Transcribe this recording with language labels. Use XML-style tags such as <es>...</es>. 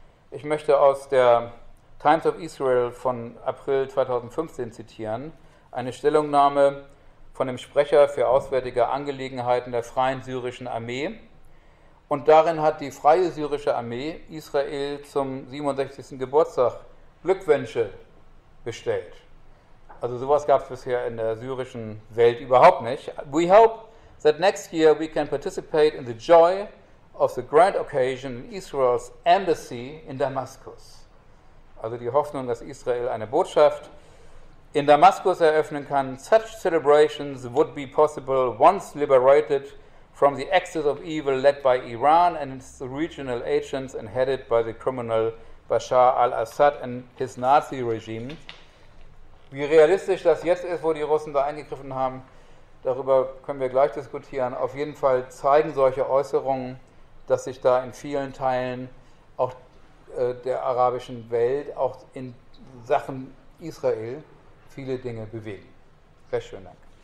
<de>Ich möchte aus der Times of Israel von April 2015 zitieren, eine Stellungnahme von dem Sprecher für auswärtige Angelegenheiten der Freien Syrischen Armee. Und darin hat die Freie Syrische Armee Israel zum 67. Geburtstag Glückwünsche bestellt. Also sowas gab es bisher in der syrischen Welt überhaupt nicht.</de> <en>We hope that next year we can participate in the joy of the grand occasion in Israel's embassy in Damascus.</en> <de>Also die Hoffnung, dass Israel eine Botschaft in Damaskus eröffnen kann.</de> <en>Such celebrations would be possible once liberated from the axis of evil led by Iran and its regional agents and headed by the criminal Bashar al-Assad and his Nazi regime.</en> <de>Wie realistisch das jetzt ist, wo die Russen da eingegriffen haben, darüber können wir gleich diskutieren. Auf jeden Fall zeigen solche Äußerungen, dass sich da in vielen Teilen auch der arabischen Welt, auch in Sachen Israel, viele Dinge bewegen. Sehr schön, danke.</de>